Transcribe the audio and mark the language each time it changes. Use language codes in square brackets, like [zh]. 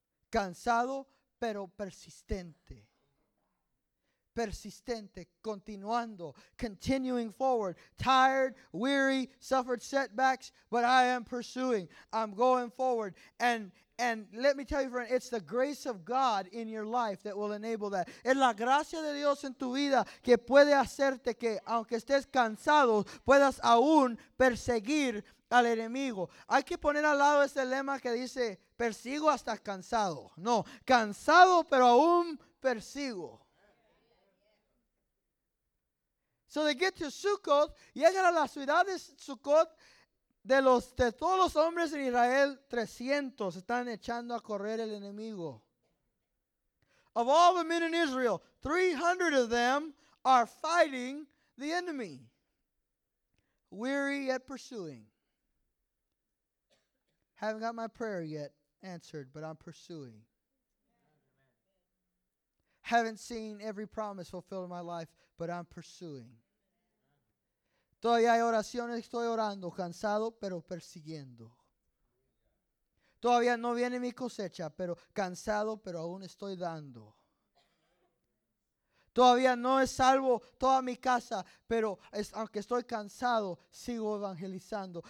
[es] Cansado, pero persistente. Persistente, continuando, [en] continuing forward. Tired, weary, suffered setbacks, but I am pursuing. I'm going forward. And let me tell you, friend, it's the grace of God in your life that will enable that. [es] Es la gracia de Dios en tu vida que puede hacerte que, aunque estés cansado, puedas aún perseguir al enemigo. Hay que poner al lado ese lema que dice, persigo hasta cansado. No, cansado, pero aún persigo. [en] So they get to Sukkoth, [es] llegan a la ciudad de Sukkoth, de todos los hombres en Israel, 300 están echando a correr el enemigo. [en] Of all the men in Israel, 300 of them are fighting the enemy. Weary yet pursuing. Haven't got my prayer yet answered, but I'm pursuing. Haven't seen every promise fulfilled in my life, but I'm pursuing. [es] Todavía hay oraciones, estoy orando, cansado, pero persiguiendo. Todavía no viene mi cosecha, pero cansado, pero aún estoy dando. Todavía no es salvo toda mi casa, pero es, aunque estoy cansado, sigo evangelizando.